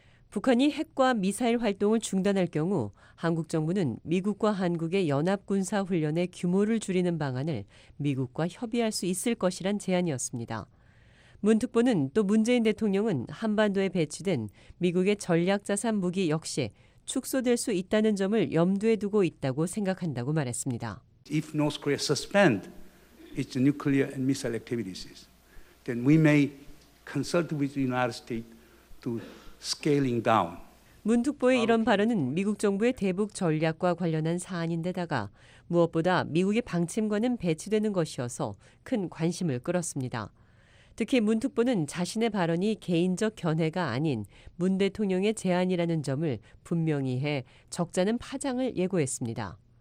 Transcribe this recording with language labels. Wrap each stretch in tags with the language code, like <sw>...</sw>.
<ko>북한이 핵과 미사일 활동을 중단할 경우 한국 정부는 미국과 한국의 연합군사훈련의 규모를 줄이는 방안을 미국과 협의할 수 있을 것이란 제안이었습니다. 문 특보는 또 문재인 대통령은 한반도에 배치된 미국의 전략자산 무기 역시 축소될 수 있다는 점을 염두에 두고 있다고 생각한다고 말했습니다.</ko> <en>If North Korea suspend its nuclear and missile activities, then we may consult with the United States to scaling down.</en> <ko>문 특보의 이런 발언은 미국 정부의 대북 전략과 관련한 사안인데다가 무엇보다 미국의 방침과는 배치되는 것이어서 큰 관심을 끌었습니다. 특히 문 특보는 자신의 발언이 개인적 견해가 아닌 문 대통령의 제안이라는 점을 분명히 해 적잖은 파장을 예고했습니다.</ko>